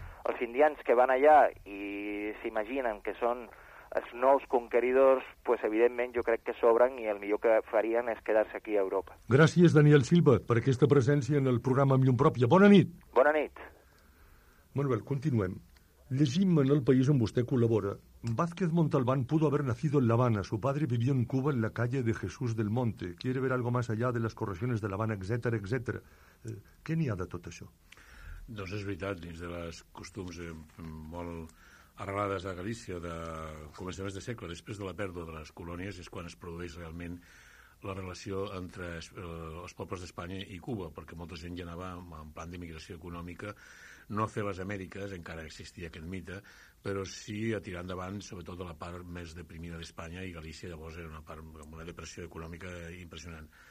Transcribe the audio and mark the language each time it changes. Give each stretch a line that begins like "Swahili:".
Catalan: Els indians que van allà i s'imaginen que són els nous conqueridors, pues evidentment jo crec que sobren i el millor que farien és quedar-se aquí a Europa. Gràcies, Daniel Silva, per aquesta presència en el programa Amb Llum Pròpia. Bona nit! Bona nit! Manuel, continuem. Llegim en El País on vostè col·labora.
Spanish: Vázquez Montalbán pudo haber nacido en La Habana. Su padre vivió en Cuba en la calle de Jesús del Monte. Quiere ver algo más allá de las correcciones de La Habana, etcétera, etcétera.
Catalan: Què n'hi ha de tot això? Doncs és veritat, dins de les costums molt arrelades a Galícia de començaments de segle, després de la pèrdua de les colònies, és quan es produeix realment la relació entre els pobles d'Espanya i Cuba, perquè molta gent ja anava en plan d'immigració econòmica no a fer les Amèriques, encara existia aquest mite, però sí a tirar endavant, sobretot a la part més deprimida d'Espanya, i Galícia llavors era una part amb una depressió econòmica impressionant.